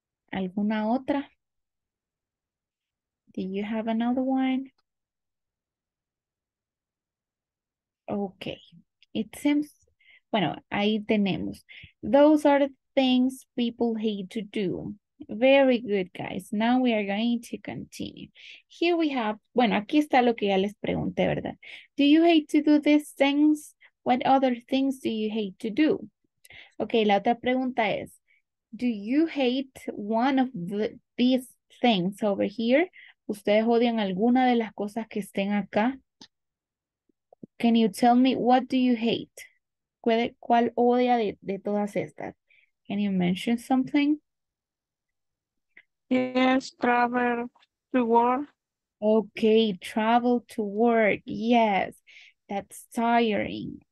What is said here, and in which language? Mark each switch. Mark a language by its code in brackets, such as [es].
[es] ¿Alguna otra? [en] Do you have another one? Okay. It seems... [es] Bueno, ahí tenemos. [en] Those are the things people hate to do. Very good, guys. Now we are going to continue. Here we have, [es] bueno, aquí está lo que ya les pregunté, ¿verdad? [en] Do you hate to do these things? What other things do you hate to do? Okay, [es] la otra pregunta es, [en] do you hate one of these things over here? [es] ¿Ustedes odian alguna de las cosas que estén acá? [en] Can you tell me what do you hate? [es] ¿Cuál odia de todas estas? [en] Can you mention something? Yes, travel to work. Okay, travel to work. Yes, that's tiring.